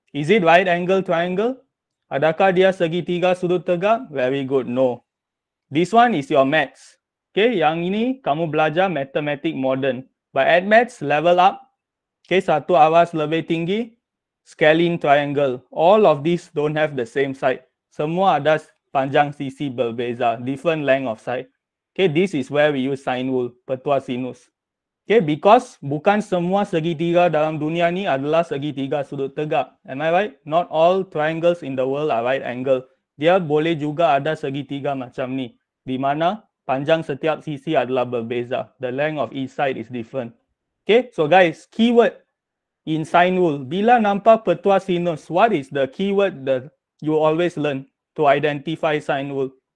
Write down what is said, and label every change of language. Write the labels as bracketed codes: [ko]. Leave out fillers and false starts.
[en] Is it right angle triangle? [ms] Adakah dia segi tiga sudut tegak? [en] Very good, no. This one is your maths. Okay, [ms] yang ini kamu belajar [en] mathematics modern. But at maths, level up. Okay, [ms] satu awas lebih tinggi. [en] Scalene triangle. All of these don't have the same side. [ms] Semua ada panjang sisi berbeza. [en] Different length of side. Okay, this is where we use sine rule. [ms] Pertua sinus. Okay, because bukan semua segitiga dalam dunia ni adalah segitiga sudut tegak. [en] Am I right? Not all triangles in the world are right angle. [ms] Dia boleh juga ada segitiga macam ni. Di mana panjang setiap sisi adalah berbeza. [en] The length of each side is different. Okay, so guys, keyword. In sine rule, [ms] bila nampak pertua sinus, [en] what is the keyword that you always learn to identify sine rule?